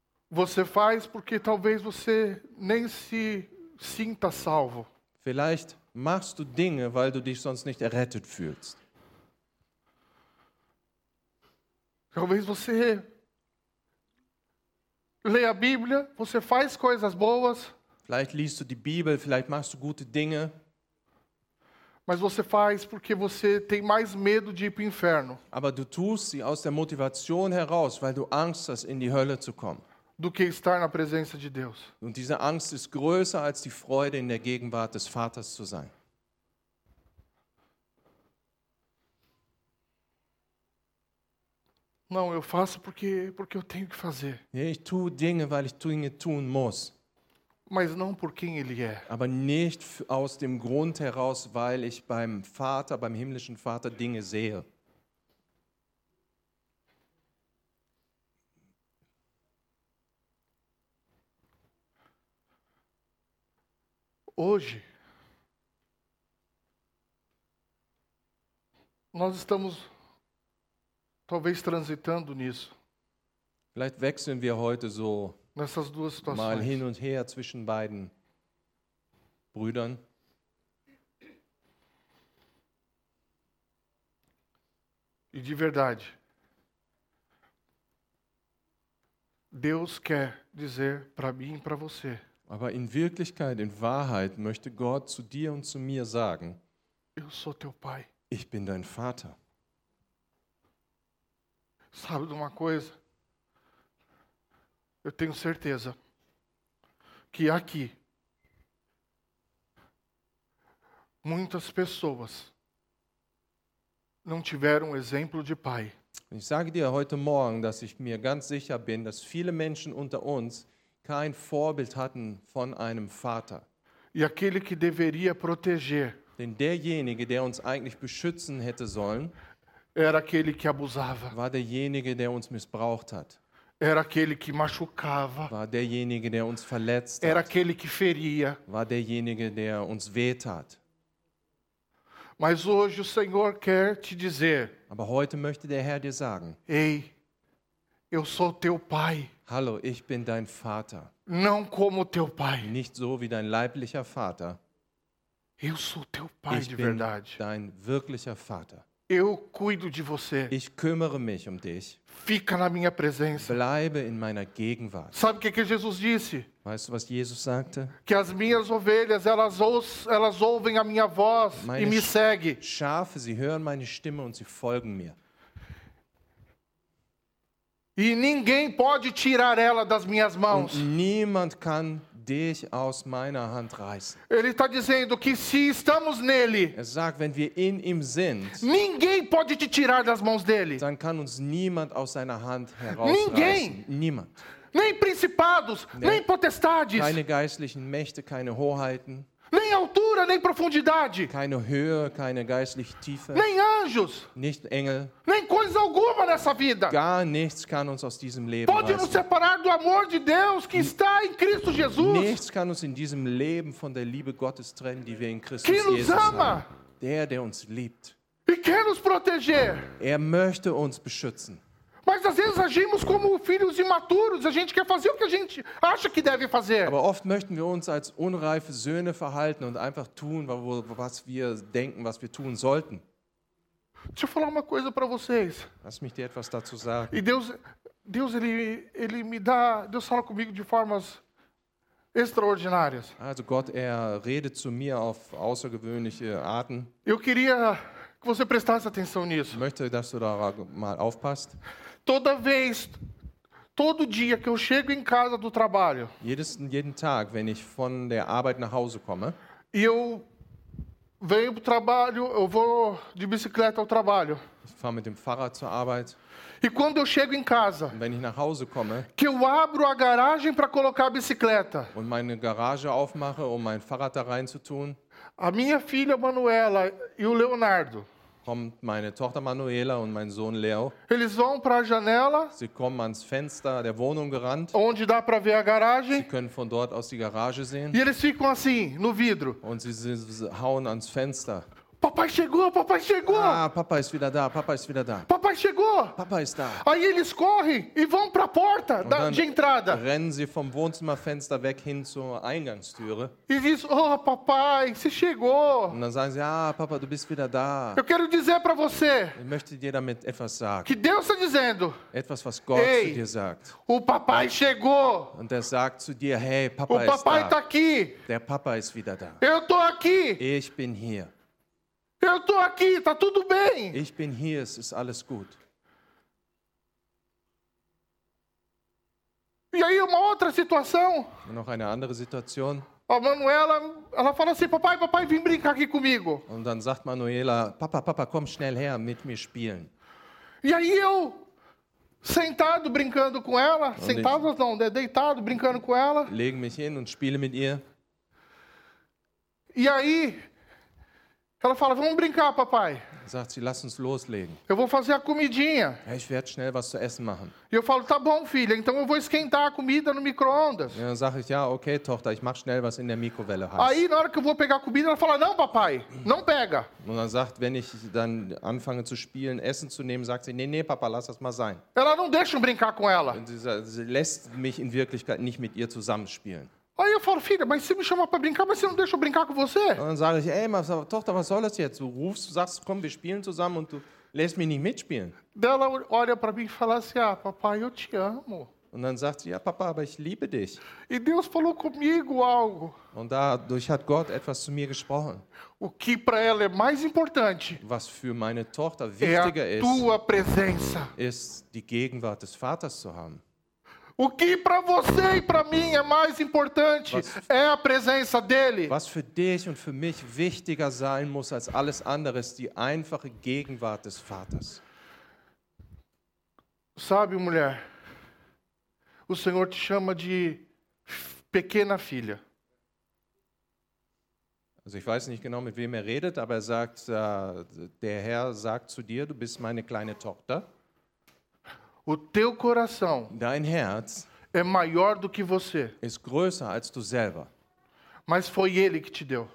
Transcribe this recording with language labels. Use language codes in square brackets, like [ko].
[pt] Você faz porque talvez você nem se sinta salvo. [de] Vielleicht machst du Dinge, weil du dich sonst nicht errettet fühlst. [pt] Talvez você lê a Bíblia, você faz coisas boas. [de] Vielleicht liest du die Bibel, vielleicht machst du gute Dinge. [pt] Mas você faz porque você tem mais medo de ir para o inferno. [de] Aber du tust sie aus der Motivation heraus, weil du Angst hast, in die Hölle zu kommen. [pt] Do que estar na presença de Deus. [de] Und diese Angst ist größer als die Freude, in der Gegenwart des Vaters zu sein. [pt] Não, eu faço porque eu tenho que fazer. [de] Ich tue Dinge, weil ich Dinge tun muss. [pt] Mas não por quem ele é. [de] Aber nicht aus dem Grund heraus, weil ich beim Vater, beim himmlischen Vater Dinge sehe. [pt] Hoje nós estamos talvez transitando nisso. [de] Vielleicht wechseln wir heute so [pt] nessas duas situações. [de] Mal hin und her zwischen beiden Brüdern. [pt] E de verdade, Deus quer dizer para mim e para você. [de] Aber in Wirklichkeit, in Wahrheit, möchte Gott zu dir und zu mir sagen: [pt] Eu sou teu pai. [de] Ich bin dein Vater. [pt] Sabe de uma coisa? Eu tenho certeza que aqui muitas pessoas não tiveram exemplo de pai. [de] Ich sage dir heute Morgen, dass ich mir ganz sicher bin, dass viele Menschen unter uns kein Vorbild hatten von einem Vater. [pt] E aquele que deveria proteger. [de] Denn derjenige, der uns eigentlich beschützen hätte sollen, [pt] era aquele que abusava. [de] War derjenige, der uns missbraucht hat. [pt] Era aquele que machucava. [de] War derjenige, der uns verletzt [pt] era [de] hat. [pt] Aquele que feria. [de] War derjenige, der uns wehtat. [pt] Mas hoje o Senhor quer te dizer. [de] Aber heute möchte der Herr dir sagen. [pt] Ei, eu sou teu pai. [de] Hallo, ich bin dein Vater. [pt] Não como teu pai. [de] Nicht so wie dein leiblicher Vater. [pt] Eu sou teu pai [de] ich [pt] de verdade. [de] Bin dein wirklicher Vater. [pt] Eu cuido de você. [de] Ich kümmere mich um dich. [pt] Fica na minha presença. [de] Bleibe in meiner Gegenwart. [pt] Sabe o que Jesus disse? [de] Weißt du, was Jesus sagte? [pt] Que as minhas ovelhas, elas ouvem a minha voz [de] meine [pt] e me seguem. [de] Schafe, sie hören meine Stimme und sie folgen mir. [pt] E ninguém pode tirar ela das minhas mãos. [de] Und niemand kann dich aus meiner Hand reißen. [pt] Ele está dizendo que se estamos nele, [de] er sagt, wenn wir in ihm sind, [pt] ninguém pode te tirar das mãos dele. [de] Dann kann uns niemand aus seiner Hand herausreißen. [pt] Ninguém. [de] Niemand. [pt] Nem principados, nem potestades. [de] Keine geistlichen Mächte, keine Hoheiten. [pt] Nem altura, nem profundidade. [de] Keine Höhe, keine geistliche Tiefe. [pt] Nem anjos. [de] Nicht Engel. [pt] Nem coisa alguma nessa vida. [de] Gar nichts kann uns aus diesem Leben [pt] pode [de] reißen. [pt] Nos separar do amor de Deus que está em Cristo Jesus. [de] Nichts kann uns in diesem Leben von der Liebe Gottes trennen, die wir in Christus Jesus haben. [pt] Que nos ama. [de] Der uns liebt. [pt] E quer nos proteger. [de] Er möchte uns beschützen. [pt] Mas às vezes agimos como filhos imaturos, a gente quer fazer o que a gente acha que deve fazer. [de] Aber oft möchten wir uns als unreife Söhne verhalten und einfach tun, was wir denken, was wir tun sollten. [pt] Deixa eu falar uma coisa para vocês. [de] Lass mich dir etwas dazu sagen. [pt] E Deus ele me dá, Deus fala comigo de formas extraordinárias. [de] Also Gott, redet zu mir auf außergewöhnliche Arten. [pt] Eu queria que você prestasse atenção nisso. [de] Möchte, dass du da mal aufpasst. [pt] Toda vez, todo dia que eu chego em casa do trabalho. [de] Jeden Tag, wenn ich von der Arbeit nach Hause komme. [pt] E eu venho pro trabalho, eu vou de bicicleta ao trabalho. [de] Ich fahre mit dem Fahrrad zur Arbeit. [pt] E quando eu chego em casa, [de] wenn ich nach Hause komme, [pt] que eu abro a garagem para colocar a bicicleta. [de] Und meine Garage aufmache, um mein Fahrrad da reinzutun. [pt] A minha filha Manuela e o Leonardo. [de] Kommt meine Tochter Manuela und mein Sohn Leo. [pt] Eles vão para a janela. [de] Sie kommen ans Fenster der Wohnung gerannt. [pt] Onde dá para ver a garagem? [de] Sie können von dort aus die Garage sehen. [pt] E eles ficam assim no vidro. [de] Und sie hauen ans Fenster. [pt] Papai chegou, papai chegou. [de] Ah, papai ist wieder da, papai ist wieder da. [pt] Papai chegou. [de] Papai ist da. [pt] Aí eles correm e vão para a porta de entrada. [de] Rennen sie vom Wohnzimmerfenster weg hin zur Eingangstüre. [pt] E diz: "Oh, papai, você chegou." [de] Und dann sagen sie: "Ah, papa, du bist wieder da." [pt] Eu quero dizer para você. [de] Ich möchte dir damit etwas sagen. [pt] Que Deus está dizendo. [de] Etwas, was Gott zu dir sagt. [pt] O papai chegou. [de] Und er sagt zu dir: "Hey, papa ist da." [pt] O papai tá aqui. [de] Der Papa ist wieder da. [pt] Eu tô aqui. [de] Ich bin hier. [pt] Eu tô aqui, tá tudo bem. [de] Ich bin hier, es ist alles gut. [pt] E aí uma outra situação? [de] Noch eine andere Situation. [pt] A Manuela, ela fala assim: "Papai, papai, vem brincar aqui comigo." [de] Und dann sagt Manuela: "Papa, papa, komm schnell her, mit mir spielen." [pt] E aí eu sentado brincando com ela, [de] und [pt] sentado [de] ich, [pt] não, deitado brincando com ela. [de] Lege mich hin und spiele mit ihr. [pt] E aí ela fala: "Vamos brincar, papai." [de] Sagt sie: "Lass uns loslegen." [pt] Eu vou fazer a comidinha. [de] Ich werde schnell was zu essen machen. [pt] E eu falo: "Tá bom, filha. Então eu vou esquentar a comida no micro-ondas." [de] Ja, sag ich: "Ja, okay, Tochter. Ich mach schnell was in der Mikrowelle." [pt] Aí na hora que eu vou pegar a comida, ela fala: "Não, papai. Não pega." [de] Und dann sagt, wenn ich dann anfange zu spielen, Essen zu nehmen, sagt sie: "Nee, nee, Papa, lass das mal sein." [pt] Ela não deixa eu brincar com ela. [de] Sie lässt mich in Wirklichkeit nicht mit ihr zusammenspielen. [pt] Aí eu falo: "Filha, mas você me chama para brincar, mas você não deixa eu brincar com você?" [de] Und dann sage ich: "Ey, Tochter, was soll das jetzt? Du rufst, sagst, komm, wir spielen zusammen und du lässt mich nicht mitspielen." [pt] Ela olha para mim e fala assim: "Ah, papai, eu te amo." [de] Und dann sagt sie: "Ja, Papa, aber ich liebe dich." [pt] E Deus falou comigo algo. [de] Und dadurch hat Gott etwas zu mir gesprochen. [pt] O que para ela é mais importante? [de] Was für meine Tochter wichtiger ist? [pt] É a tua presença. [de] Ist die Gegenwart des Vaters zu haben. [pt] O que para você e para mim é mais importante é a presença dele. [de] Was für dich und für mich wichtiger sein muss als alles andere ist die einfache Gegenwart des Vaters. [pt] Sabe, mulher, o Senhor te chama de pequena filha. [de] Also ich weiß nicht genau, mit wem redet, aber sagt, der Herr sagt zu dir: "Du bist meine kleine Tochter." [pt] O teu coração, [de] dein Herz, [pt] é maior do que você. [de] Ist größer als du selber. [pt] Mas foi ele que te deu.